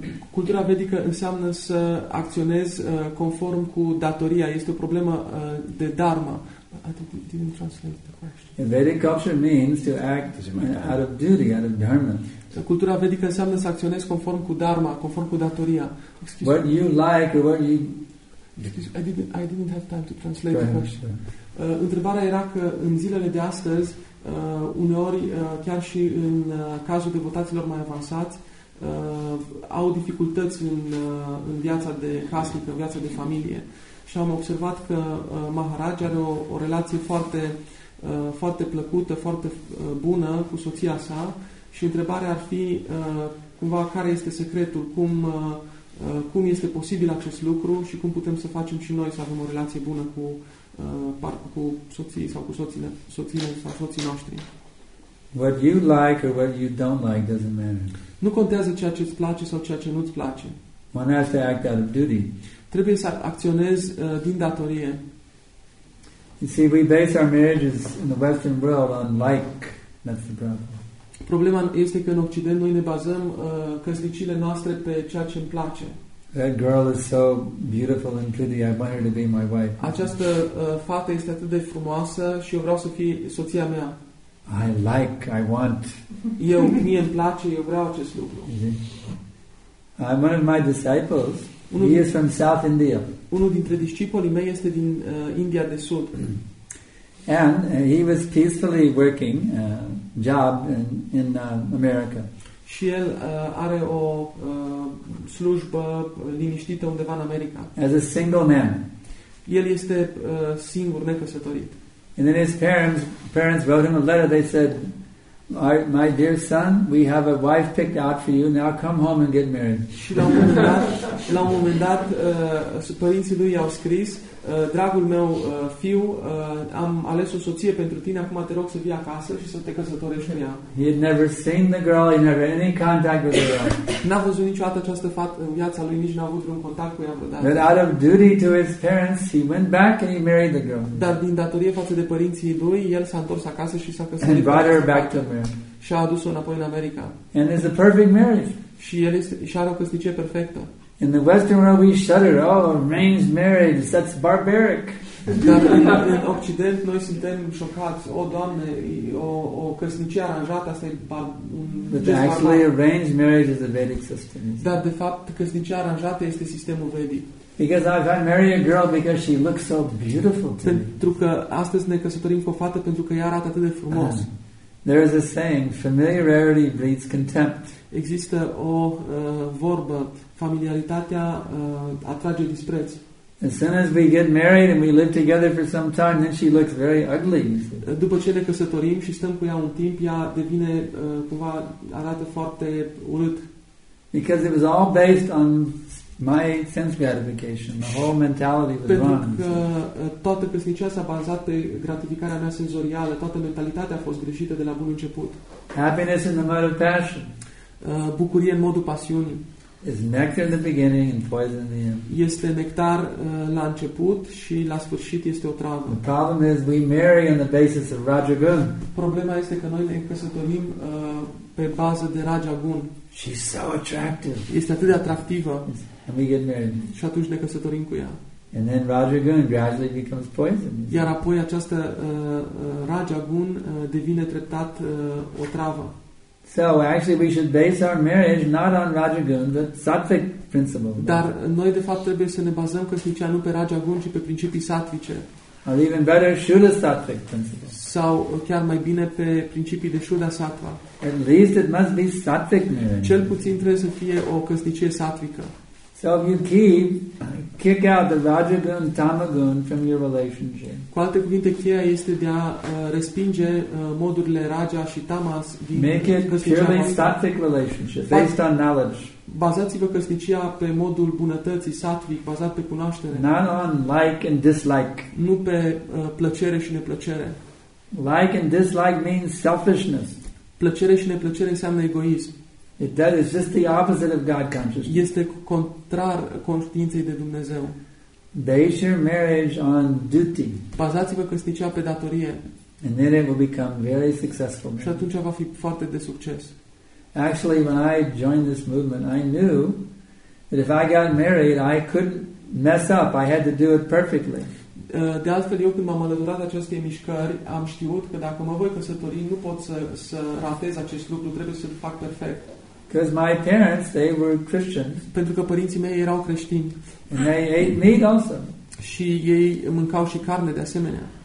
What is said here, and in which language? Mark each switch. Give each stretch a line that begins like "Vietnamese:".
Romanian: Cultura vedică înseamnă să acționezi conform cu datoria. Este o problemă de dharma.
English: Didn't translate the question. Vedic culture means to act out of duty, out of dharma.
Romanian: Cultura vedică înseamnă să acționezi conform cu dharma, conform cu datoria.
English: Excuse what me. You like or what you... Excuse, I didn't have time to translate the question.
Romanian: Întrebarea era că în zilele de astăzi, uneori, chiar și în cazul devotaților mai avansați, au dificultăți în viața de casnică, în viața de familie. Și am observat că Maharaj are o relație foarte, foarte plăcută, foarte bună cu soția sa. Și întrebarea ar fi, cumva, care este secretul? Cum cum este posibil acest lucru și cum putem să facem și noi să avem o relație bună cu cu soții sau cu soțiile sau soții noștri.
English: What you like or what you don't like doesn't matter.
Romanian: Nu contează ceea ce îți place sau ceea ce nu îți place.
English: One has to act out of duty.
Romanian: Trebuie să acționezi din datorie.
English: You see, we base our marriages in the Western world on like. That's the problem.
Romanian: Problema este că în Occident noi ne bazăm căsnicile noastre pe ceea ce îmi place.
English: That girl is so beautiful and pretty. I want her to be my wife.
Romanian: Această fată este atât de frumoasă și eu vreau să fie soția mea.
English: I like, I want.
Romanian: Eu, mie îmi place, eu vreau acest lucru.
English: I'm one of my disciples. He is from South India.
Romanian: Unul dintre discipolii mei este din India de Sud.
English: And he was peacefully working a job in America.
Romanian: Și el are o slujbă liniștită undeva în America.
English: As a single man.
Romanian: El este singur, necăsătorit.
English: And then his parents wrote him a letter. They said, my dear son, we have a wife picked out for you. Now come home and get married.
Romanian: Și la un moment dat, părinții lui i-au scris, dragul meu fiu, am ales o soție pentru tine. Acum te rog să vii acasă și să te căsătorești cu ea.
English: He had never seen the girl. He never had any contact with her.
Romanian: N-a văzut niciodată această fată în viața lui, nici n-a avut vreun contact cu ea vreodată.
English: But out of duty to his parents, he went back and he married the girl.
Romanian: Dar din datorie față de părinții lui, el s-a întors acasă și s-a căsătorit.
English: And brought her back to America.
Romanian: Și a adus-o înapoi în America.
English: And it's a perfect marriage.
Romanian: Și el și are o căsnicie perfectă.
English: In the Western world, we shudder. Oh, arranged marriage, that's barbaric.
Romanian: În Occident, noi suntem șocați. Oh, Doamne, o căsnicie aranjată, asta e un dezbarat.
English: But actually, arranged marriage is a Vedic system.
Romanian: Dar, de fapt, căsnicia aranjată este sistemul Vedic.
English: Because I've had marry a girl because she looks so beautiful to me.
Romanian: Pentru că astăzi ne căsătorim cu o fată pentru că ea arată atât de frumos.
English: There is a saying, familiarity breeds contempt.
Romanian: Există o vorbă, familiaritatea atrage dispreț.
English: As soon as we get married and we live together for some time, then she looks very ugly.
Romanian: După ce ne căsătorim și stăm cu ea un timp, ea devine cumva arată foarte urât.
English: Because it was all based on my sense gratification, the whole mentality was wrong.
Romanian: Pentru că toată căsnicia s-a bazat pe gratificarea mea senzorială, toată mentalitatea a fost greșită de la bun început.
English: Happiness in the mode of passion.
Romanian: Bucurie în modul pasiunii.
English: Is nectar in the beginning and poison in the end.
Romanian: Este nectar la început și la sfârșit este o travă.
English: The problem is we marry on the basis of Rajagun.
Romanian: Problema este că noi ne căsătorim pe bază de Rajagun.
English: She's so attractive.
Romanian: Este atât de atractivă.
English: And we get married.
Romanian: Și atunci ne căsătorim cu ea.
English: And then Rajagun gradually becomes poison.
Romanian: Iar apoi această Rajagun devine treptat o travă.
English: So actually we should base our marriage not on Rajagun, but sattvic principle.
Romanian: Dar noi de fapt trebuie să ne bazăm căsnicia nu pe Rajagun, ci pe principii sattvice.
English: Or even better, Shuddha sattvic principle.
Romanian: Sau chiar mai bine pe principii de Shuddha sattva.
English: At least it must be sattvic marriage.
Romanian: Cel puțin trebuie să fie o căsnicie sattvică.
English: So if you keep, kick out the Rajagun, Tamagun from your relationship.
Romanian: Cu alte cuvinte, cheia este de a respinge modurile Raja și Tamas din căsnicia voastră.
English: Make it purely sattvic relationship, based on knowledge.
Romanian: Bazați-vă căsnicia pe modul bunătății, sattvic, bazat pe cunoaștere.
English: Not on like and dislike.
Romanian: Nu pe plăcere și neplăcere.
English: Like and dislike means selfishness.
Romanian: Plăcere și neplăcere înseamnă egoism.
English: That is just the opposite of God consciousness.
Romanian: Este contrar conștiinței de Dumnezeu.
English: Base your marriage on duty.
Romanian: Bazați-vă căsnicia pe datorie.
English: And then it will become very successful.
Romanian: Și atunci va fi foarte de succes.
English: Actually, when I joined this movement, I knew that if I got married, I couldn't mess up. I had to do it perfectly.
Romanian: De altfel, eu când m-am alăturat acestei mișcări, am știut că dacă mă voi căsători, nu pot să ratez acest lucru, trebuie să-l fac perfect.
English: Because my parents, they were Christians.
Romanian: Pentru că părinții mei erau creștini.
English: And they ate meat also.
Romanian: Și ei mâncau și carne de asemenea.